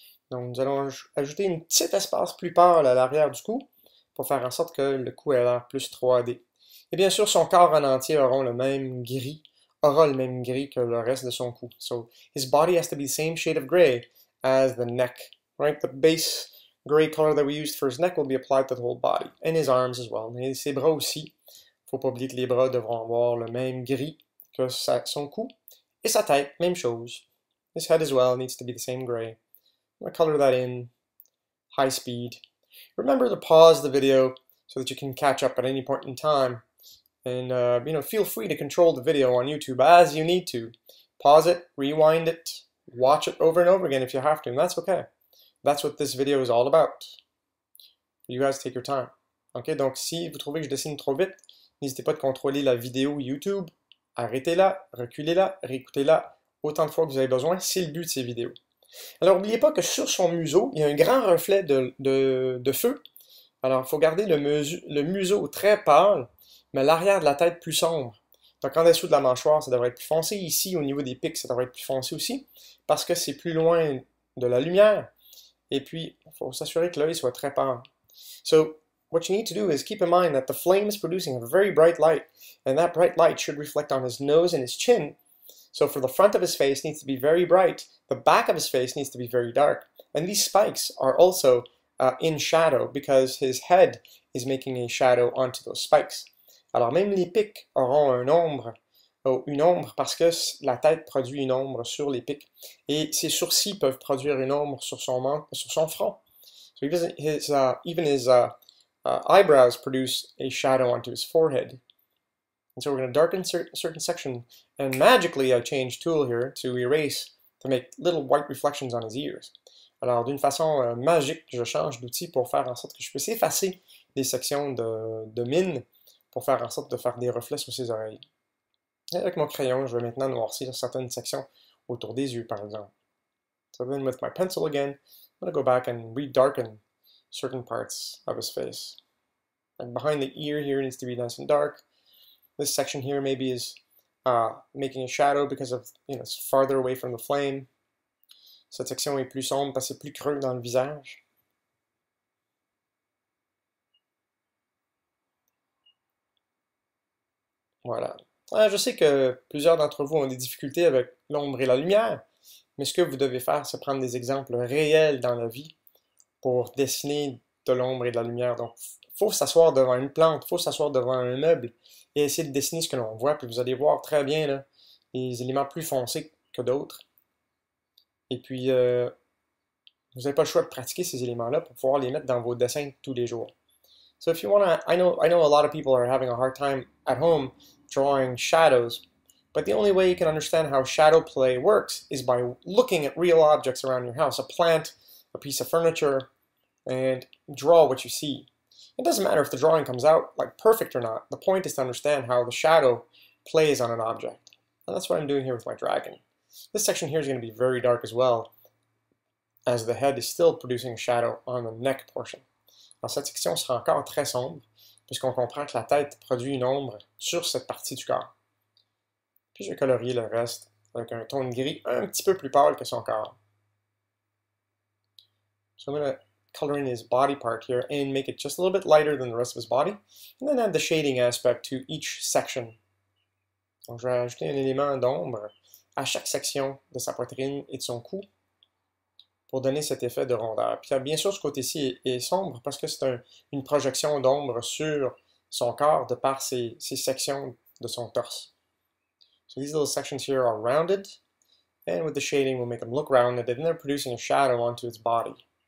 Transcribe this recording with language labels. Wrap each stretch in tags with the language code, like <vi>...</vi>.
<fr>Donc, nous allons ajouter un petit espace plus pâle à l'arrière du cou pour faire en sorte que le cou ait l'air plus 3D. Et bien sûr, son corps en entier aura le même gris que le reste de son cou.</fr> <en>So, his body has to be the same shade of gray as the neck. Right? The base gray color that we used for his neck will be applied to the whole body. And his arms as well.</en> <fr>Et ses bras aussi.</fr> <en>Faut pas oublier que les bras devront avoir le même gris que son cou. Et sa tête, même chose. His head as well needs to be the same gray. I'm going to color that in high speed. Remember to pause the video so that you can catch up at any point in time. And, you know, feel free to control the video on YouTube as you need to. Pause it, rewind it, watch it over and over again if you have to, and that's okay. That's what this video is all about. You guys take your time.</en> <fr>Ok, donc si vous trouvez que je dessine trop vite, n'hésitez pas à contrôler la vidéo YouTube. Arrêtez-la, reculez-la, réécoutez-la autant de fois que vous avez besoin. C'est le but de ces vidéos. Alors, n'oubliez pas que sur son museau, il y a un grand reflet de feu. Alors, il faut garder le museau très pâle, mais l'arrière de la tête plus sombre. Donc, en dessous de la mâchoire, ça devrait être plus foncé. Ici, au niveau des pics, ça devrait être plus foncé aussi, parce que c'est plus loin de la lumière. Et puis, il faut s'assurer que l'œil soit très pâle.</fr> <en>So, what you need to do is keep in mind that the flame is producing a very bright light, and that bright light should reflect on his nose and his chin. So for the front of his face needs to be very bright, the back of his face needs to be very dark, and these spikes are also in shadow because his head is making a shadow onto those spikes.</en> <fr>Alors même les pics auront une ombre parce que la tête produit une ombre sur les pics, et ses sourcils peuvent produire une ombre sur son front.</fr> <en>So even his eyebrows produce a shadow onto his forehead. And so we're going to darken certain section, and magically I change tool here to erase to make little white reflections on his ears.</en> <fr>Alors d'une façon magique, je change d'outil pour faire en sorte que je puisse effacer des sections de mine pour faire en sorte de faire des reflets sur ses oreilles. Et avec mon crayon, je vais maintenant noircir certaines sections autour des yeux, par exemple.</fr> <en>So then with my pencil again, I'm going to go back and redarken certain parts of his face. Like behind the ear here needs to be nice and dark. This section here maybe is making a shadow because of, it's farther away from the flame.</en> <fr>Cette section est plus sombre parce que c'est plus creux dans le visage. Voilà. Alors, je sais que plusieurs d'entre vous ont des difficultés avec l'ombre et la lumière, mais ce que vous devez faire, c'est prendre des exemples réels dans la vie pour dessiner de l'ombre et de la lumière. Donc, faut s'asseoir devant une plante, faut s'asseoir devant un meuble et essayer de dessiner ce que l'on voit. Puis vous allez voir très bien là, les éléments plus foncés que d'autres. Et puis, vous n'avez pas le choix de pratiquer ces éléments-là pour pouvoir les mettre dans vos dessins tous les jours.</fr> <en>So if you want to, I know a lot of people are having a hard time at home drawing shadows, but the only way you can understand how shadow play works is by looking at real objects around your house, a plant, a piece of furniture, and draw what you see. It doesn't matter if the drawing comes out like perfect or not. The point is to understand how the shadow plays on an object. And that's what I'm doing here with my dragon. This section here is going to be very dark as well, as the head is still producing a shadow on the neck portion.</en> <fr>Alors cette section sera encore très sombre, puisqu'on comprend que la tête produit une ombre sur cette partie du corps. Puis je vais colorier le reste avec un ton de gris un petit peu plus pâle que son corps.</fr> <en>So I'm going to color in his body part here and make it just a little bit lighter than the rest of his body, and then add the shading aspect to each section.</en> <fr>Donc je vais ajouter un élément d'ombre à chaque section de sa poitrine et de son cou pour donner cet effet de rondeur. Puis bien sûr, ce côté-ci est sombre parce que c'est une projection d'ombre sur son corps de par ses sections de son torse.</fr> <en>So these little sections here are rounded. And with the shading, we'll make them look rounded, and then they're producing a shadow onto its body.</en>